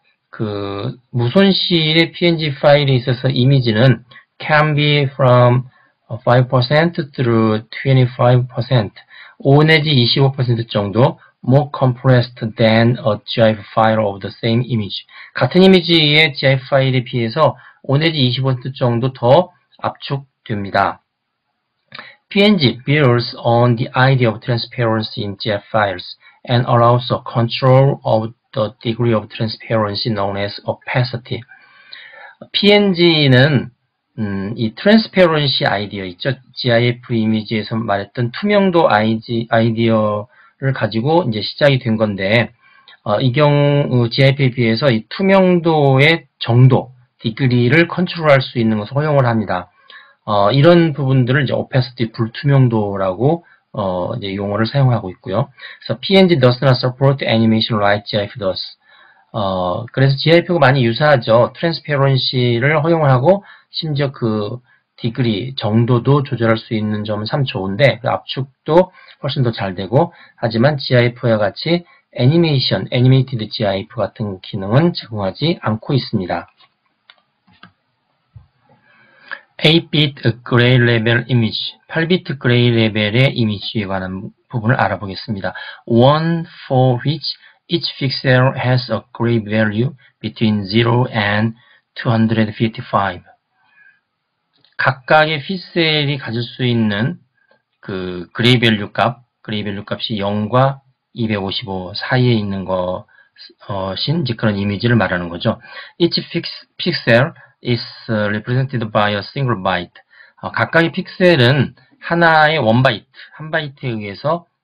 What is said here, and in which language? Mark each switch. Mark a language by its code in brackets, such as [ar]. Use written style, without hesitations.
[ko] 그 무손실의 PNG 파일에 있어서 이미지는 can be from 5% through 25%, 5 내지 25% 정도 [en] more compressed than a GIF file of the same image. [ko] 같은 이미지의 GIF 파일에 비해서 5 내지 25% 정도 더 압축됩니다. [en] PNG builds on the idea of transparency in GIF files and allows a control of the degree of transparency known as opacity. [ko] PNG는 이 트랜스페런시 아이디어 있죠. GIF 이미지에서 말했던 투명도 아이디어를 가지고 이제 시작이 된 건데, GIF에 비해서 이 투명도의 정도, 디그리를 컨트롤할 수 있는 것을 허용을 합니다. 이런 부분들을 이제 opacity 불투명도라고 이제 용어를 사용하고 있고요. 그래서 [en] PNG does not support animation like GIF does. [ko] 그래서 GIF가 많이 유사하죠. 트랜스페런시를 허용을 하고 심지어 그 디그리 정도도 조절할 수 있는 점은 참 좋은데 그 압축도 훨씬 더잘 되고 하지만 GIF와 같이 애니메이션, 애니메이티드 GIF 같은 기능은 제공하지 않고 있습니다. [en] 8-bit gray level image, [ko] 8-bit gray level의 이미지에 관한 부분을 알아보겠습니다. [en] One for which each pixel has a gray value between 0 and 255. [ko] 각각의 픽셀이 가질 수 있는 그 그레이 밸류 값이 0과 255 사이에 있는 것인 이제 그런 이미지를 말하는 거죠. [en] Each pixel is represented by a single byte. [ko] 각각의 픽셀은 하나의 원 바이트, 한 바이트에 의해서